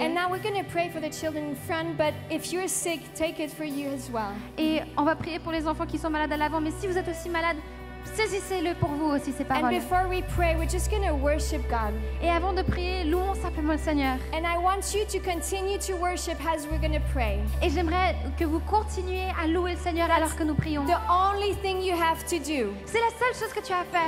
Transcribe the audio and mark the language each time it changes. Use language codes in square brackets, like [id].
[en] And now we're going to pray for the children in front, but if you're sick, take it for you as well. [fr] Et on va prier pour les enfants qui sont malades à l'avant, mais si vous êtes aussi malade, saisissez-le pour vous aussi ces paroles. [en] And before we pray, we're just going to worship God. [fr] Et avant de prier, louons simplement le Seigneur. [en] And I want you to continue to worship as we're going to pray. [fr] Et j'aimerais que vous continuiez à louer le Seigneur alors que nous prions. [en] The only thing you have to do. [fr] C'est la seule chose que tu as à faire.